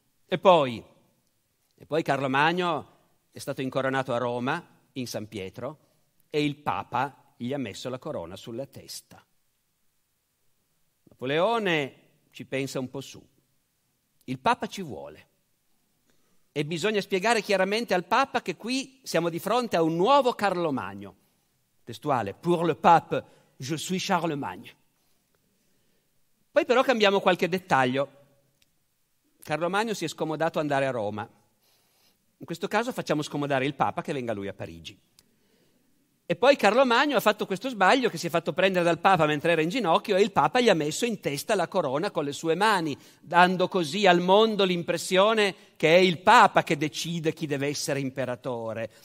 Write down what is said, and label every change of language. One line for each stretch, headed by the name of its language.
Italian: E poi Carlo Magno è stato incoronato a Roma, in San Pietro, e il Papa gli ha messo la corona sulla testa. Napoleone ci pensa un po' su. Il Papa ci vuole. E bisogna spiegare chiaramente al Papa che qui siamo di fronte a un nuovo Carlo Magno.
French: Testuale, pour le pape, je suis Charlemagne.
Italian: Poi però cambiamo qualche dettaglio. Carlo Magno si è scomodato andare a Roma. In questo caso facciamo scomodare il Papa che venga lui a Parigi. E poi Carlo Magno ha fatto questo sbaglio, che si è fatto prendere dal Papa mentre era in ginocchio, e il Papa gli ha messo in testa la corona con le sue mani, dando così al mondo l'impressione che è il Papa che decide chi deve essere imperatore.